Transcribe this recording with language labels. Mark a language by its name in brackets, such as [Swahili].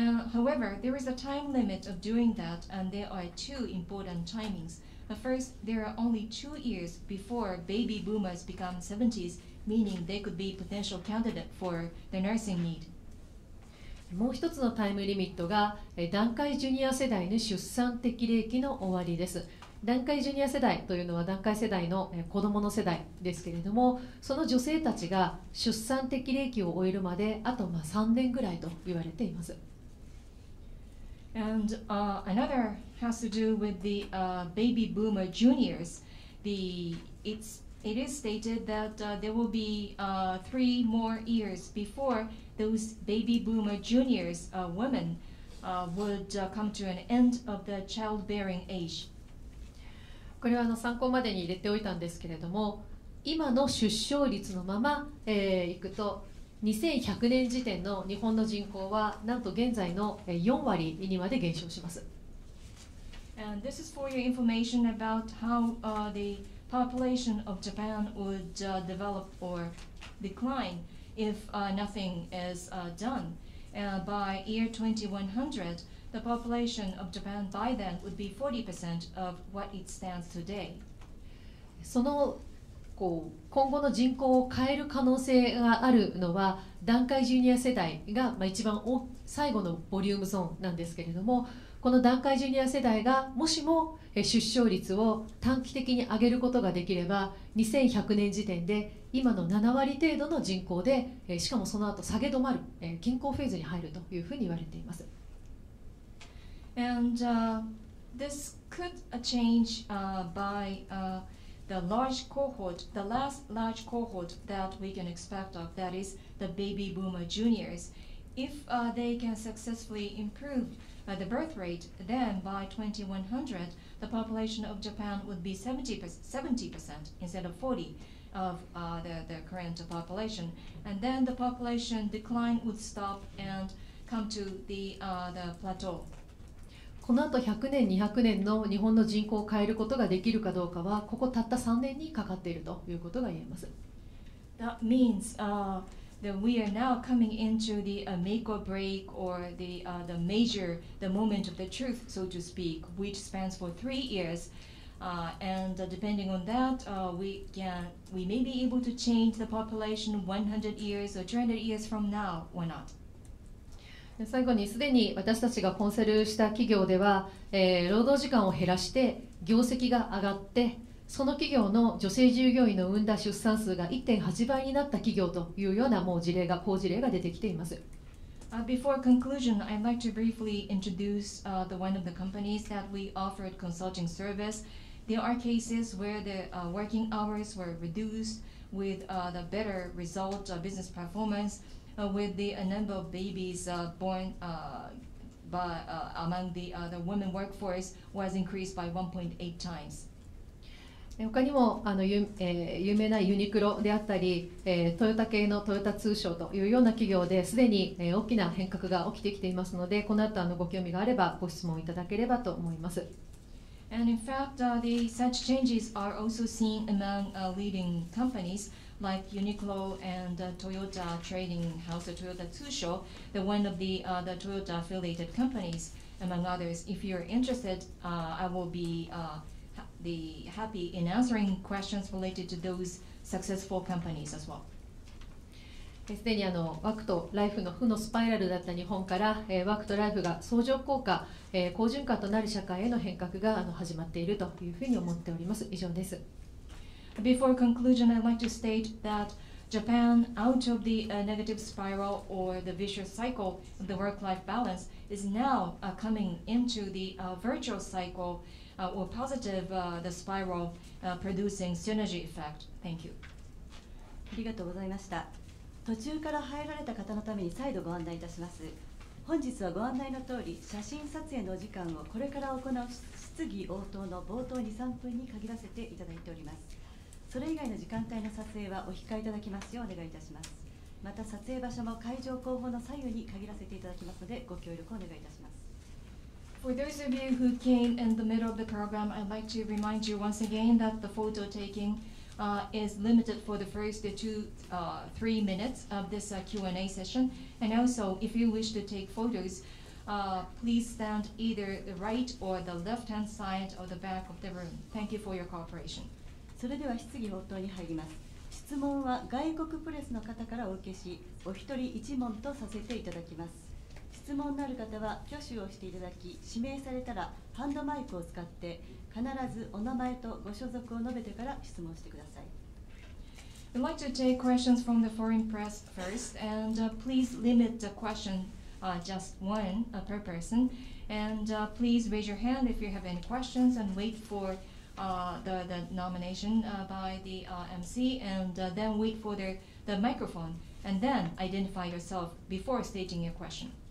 [English] However, there is a time limit of doing that, and there are two important timings. First, there are only 2 years before baby boomers become 70s. Meaning they could be potential candidate for the nursing need. [Japanese] もう一つのタイムリミットが、団塊ジュニア世代の出産適齢期の終わりです。団塊ジュニア世代というのは団塊世代の、子どもの世代ですけれども、その女性たちが出産適齢期を終えるまであと3年ぐらいと言われています。 [English] And another has to do with the baby boomer juniors. It is stated that there will be three more years before those baby boomer juniors, women, would come to an end of the childbearing age. [Japanese] これは参考までに入れておいたんですけれども、今の出生率のまま、いくと、2100年時点の日本の人口はなんと現在の4割にまで減少します。 [English] And this is for your information about how the population of Japan would develop or decline if nothing is done. By year 2100, the population of Japan by then would be 40% of what it stands today. [Japanese] そのこう今後の人口を変える可能性があるのは、団塊ジュニア世代が一番最後のボリュームゾーンなんですけれども、この団塊ジュニア世代がもしも出生率を短期的に上げることができれば、2100年時点で今の7割程度の人口で、しかもその後下げ止まる、均衡フェーズに入るというふうに言われています。 [English] And this could change by the large cohort, the last large cohort that we can expect of, that is the baby boomer juniors. If they can successfully improve the birth rate, then by 2100, the population of Japan would be 70% instead of 40% of the current population. And then the population decline would stop and come to the plateau. [Japanese] このあと100年200年の日本の人口を変えることができるかどうかはここたった3年にかかっているということが言えます。 [English] That means that we are now coming into the make or break or the major, the moment of the truth, so to speak, which spans for 3 years, and depending on that, we may be able to change the population 100 years or 200 years from now or not. [Japanese] 最後にすでに私たちがコンサルした企業では、労働時間を減らして業績が上がってその企業の女性従業員の産んだ出産数が 1.8 倍になった企業というようなもう事例が好事例が出てきています。 [English] Before conclusion, I'd like to briefly introduce the one of the companies that we offered consulting service. There are cases where the working hours were reduced with the better result of business performanceWith the number of babies born among the women workforce was increased by 1.8 times. [Japanese] 他にも有名なユニクロであったり、トヨタ系のトヨタ通商というような企業ですでに、大きな変革が起きてきていますので、この後ご興味があればご質問いただければと思います。 [English] And in fact, such changes are also seen among leading companies. Like Uniqlo and Toyota Trading House, Toyota Tsusho, the one of the Toyota affiliated companies, among others. If you're interested, I will be happy in answering questions related to those successful companies as well. [Japanese] すでにワークとライフの負のスパイラルだった日本から、ワークとライフが相乗効果、好循環となる社会への変革が始まっているというふうに思っております。以上です。 [English] Before conclusion, I'd like to state that Japan, out of the negative spiral or the vicious cycle of the work-life balance, is now coming into the virtual cycle or positive the spiral producing synergy effect. Thank you. [Japanese] ありがとうございました。途中から入られた方のために再度ご案内いたします。本日はご案内の通り、写真撮影の時間をこれから行う質疑応答の冒頭 2,3 分に限らせていただいております。それ以外の時間帯の撮影はお控えいただきますようお願いいたします。また撮影場所も会場後方の左右に限らせていただきますので、ご協力をお願いいたします。 [English] For those of you who came in the middle of the program, I'd like to remind you once again that the photo taking is limited for the first three minutes of this Q&A session. And also, if you wish to take photos, please stand either the right or the left-hand side of the back of the room. Thank you for your cooperation. [Japanese] それでは質疑応答に入ります。質問は外国プレスの方からお受けし、お一人一問とさせていただきます。質問のある方は挙手をしていただき、指名されたらハンドマイクを使って必ずお名前とご所属を述べてから質問してください。 [English] I'd like to take questions from the foreign press first, and please limit the question just one per person, and please raise your hand if you have any questions and wait forfor the nomination by the MC, and then wait for the microphone, and then identify yourself before stating your question.